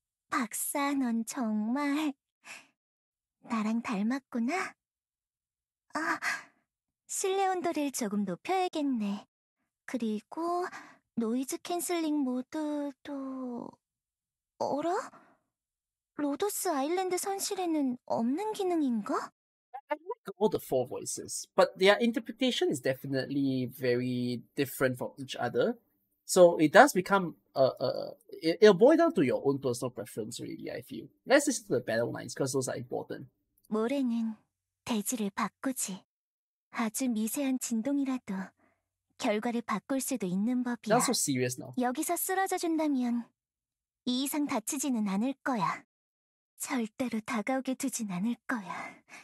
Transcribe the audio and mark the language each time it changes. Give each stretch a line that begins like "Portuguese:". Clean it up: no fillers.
Korean: 박사, 넌 정말 나랑 닮았구나. 아, 실내 온도를 조금 높여야겠네. 그리고 노이즈 캔슬링 모드도... 어라? 로도스 아일랜드 선실에는 없는 기능인가?
English: I like all the four voices, but their interpretation is definitely very different from each other. So it does become it'll boil down to your own personal preference, really, I feel. Let's listen to the battle lines, because those are important.
Korean: 모래는 대지를 바꾸지. 아주 미세한 진동이라도 결과를 바꿀 수도 있는 법이야.
English: That's so serious now.
Korean: 여기서 쓰러져 준다면 이 이상 다치지는 않을 거야. 절대로 다가오게 두진 않을 거야.